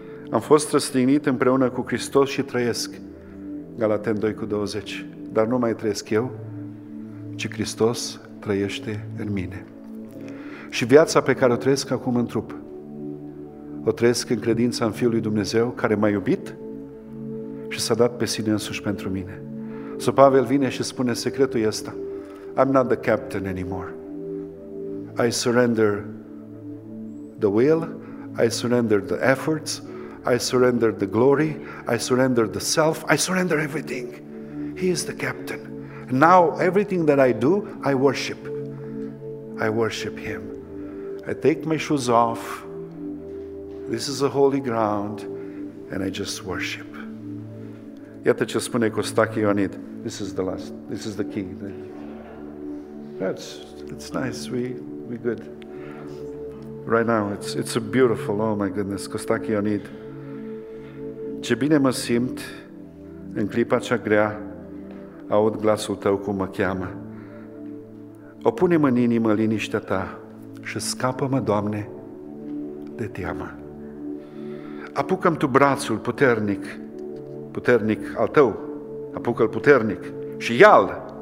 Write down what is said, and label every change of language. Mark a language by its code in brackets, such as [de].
[ro] Am fost răstignit împreună cu Hristos și trăiesc, Galateni 2,20, dar nu mai trăiesc eu, ci Hristos trăiește în mine. Și viața pe care o trăiesc acum în trup, o trăiesc în credința în Fiul lui Dumnezeu, care m-a iubit și s-a dat pe sine însuși pentru mine. Sau Pavel vine și spune, secretul este ăsta, [en] I'm not the captain anymore. I surrender the will, I surrender the efforts, I surrender the glory, I surrender the self, I surrender everything. He is the captain. Now, everything that I do, I worship. I worship Him. I take my shoes off. This is a holy ground. And I just worship. [ro] Iată ce spune Costache Ioanid. [en] This is the last. This is the key. That's nice. We good. Right now, it's a beautiful, oh my goodness, Costache Ioanid. [ro] Ce bine mă simt în clipa cea grea, aud glasul tău cum mă cheamă. O pune-mă în inimă liniștea ta și scapă-mă, Doamne, de teamă. Apucă-mi tu brațul puternic, puternic al tău, apucă-l puternic și ia-l.